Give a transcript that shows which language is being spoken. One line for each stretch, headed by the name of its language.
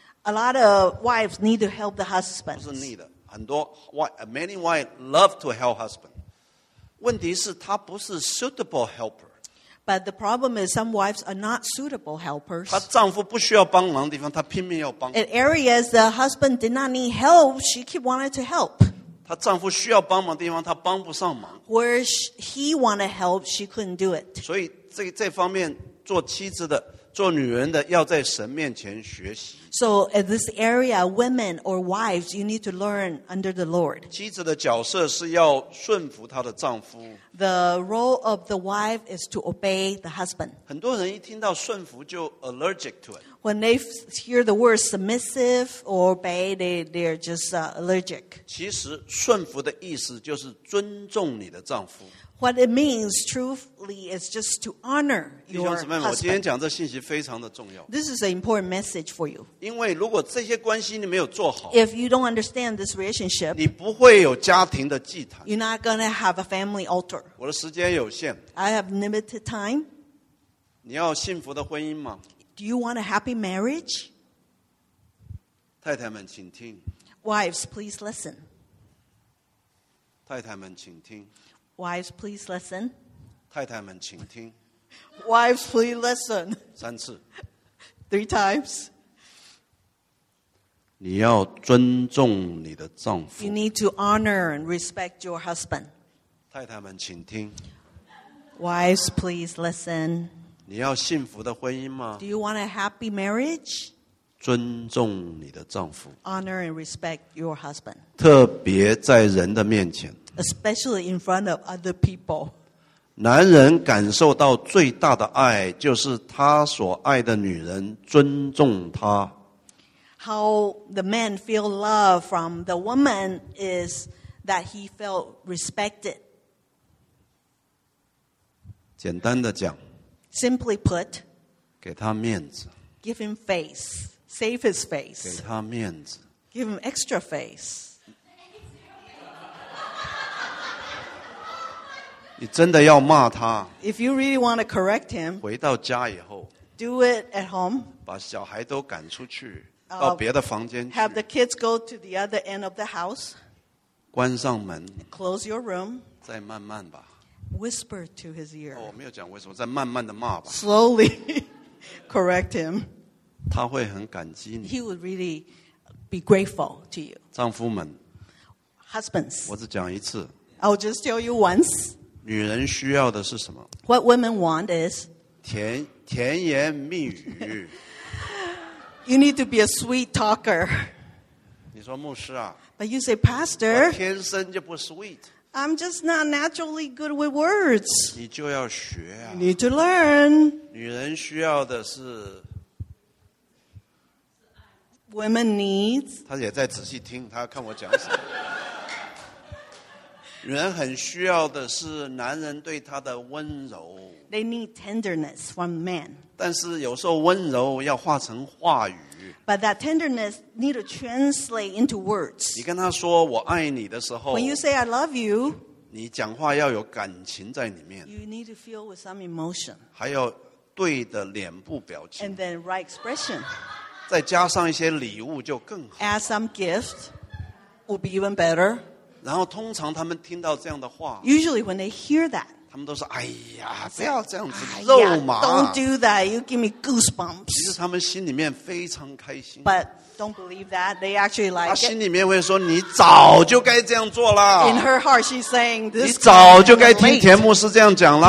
English: A lot of wives need to help the husband.
Chinese: 不是
English: need
Chinese: 的, 很多,
English: many wives love to help husband.
Chinese: 问题是她不是
English: suitable helper. But the problem is some wives are not suitable helpers.
Chinese: 她丈夫不需要帮忙的地方, 她拼命要帮,
English: in areas the husband did not need help, she keep wanted to help.
Chinese: 她丈夫需要帮忙的地方, 她帮不上忙,
English: where he wanted help, she couldn't do it.
Chinese: 所以这方面做妻子的, 做女人的, 要在神面前学习。
English: So in this area, women or wives, you need to learn under the Lord.
Chinese: 妻子的角色是要顺服她的丈夫。
English: The role of the wife is to obey the husband.
Chinese: 很多人一听到顺服就
English: allergic to it. When they hear the word submissive or obey, they're just allergic.
Chinese: 其实顺服的意思就是尊重你的丈夫。
English: What it means truthfully is just to honor your husband.
Chinese: 弟兄姊妹们，我今天讲这信息非常的重要。
English: This is an important message for you.
Chinese: 因为如果这些关系你没有做好，
English: If you don't understand this relationship,
Chinese: 你不会有家庭的祭坛。
English: You're not going to have a family altar.
Chinese: 我的时间有限。
English: I have limited time.
Chinese: 你要幸福的婚姻吗？
English: Do you want a happy marriage?
Chinese: 太太们请听。
English: Wives, please listen.
Chinese: 太太们请听。
English: Wives, please listen.
Chinese: 太太们请听。
English: Wives, please listen.
Chinese: 三次。
English: Three times.
Chinese: 你要尊重你的丈夫。
English: You need to honor and respect your husband.
Chinese: 太太们请听。
English: Wives, please listen.
Chinese: 你要幸福的婚姻吗？
English: Do you want a happy marriage?
Chinese: 尊重你的丈夫。
English: Honor and respect your husband.
Chinese: 特别在人的面前。
English: Especially in front of other people.
Chinese: 男人感受到最大的爱就是他所爱的女人尊重他。
English: How the man feel love from the woman is that he felt respected.
Chinese: 简单的讲,
English: simply put,
Chinese: 给他面子,
English: give him face, save his face,
Chinese: 给他面子,
English: give him extra face.
Chinese: 你真的要骂他,
English: if you really want to correct him,
Chinese: 回到家以后,
English: do it at home.
Chinese: 把小孩都赶出去, 到别的房间去,
English: have the kids go to the other end of the house.
Chinese: 关上门,
English: close your room.
Chinese: 再慢慢吧,
English: whisper to his ear.
Chinese: 哦,我没有讲为什么, 再慢慢地骂吧,
English: slowly correct him.
Chinese: 他会很感激你,
English: he would really be grateful to you.
Chinese: 丈夫们,
English: husbands,
Chinese: 我只讲一次,
English: I'll just tell you once.
Chinese: 女人需要的是什么?
English: What women want is
Chinese: 甜言蜜语。
English: You need to be a sweet talker.
Chinese: 你说牧师啊,
English: but you say, Pastor,
Chinese: 我天生就不sweet,
English: I'm just not naturally good with words.
Chinese: 你就要学啊,
English: you need to learn.
Chinese: 女人需要的是
English: women needs.
Chinese: 她也在仔细听, 她要看我讲什么。女人很需要的是男人对她的温柔。
English: They need tenderness from men.
Chinese: 但是有时候温柔要化成话语。
English: But that tenderness need to translate into words.
Chinese: 你跟她说我爱你的时候,
English: when you say I love you,
Chinese: 你讲话要有感情在里面。
English: You need to feel with some emotion.
Chinese: 还有对的脸部表情。
English: And then right expression.
Chinese: 再加上一些礼物就更好。
English: Add some gift would be even better.
Chinese: 然后通常他们听到这样的话,
English: usually when they hear that,
Chinese: 他们都说哎呀不要这样子, 肉麻,
English: don't do that, you give me goosebumps.
Chinese: 其实他们心里面非常开心,
English: but don't believe that, they actually like it.
Chinese: 他心里面会说, 你早就该这样做了,
English: in her heart she's saying this,
Chinese: 你早就该听田牧师这样讲了,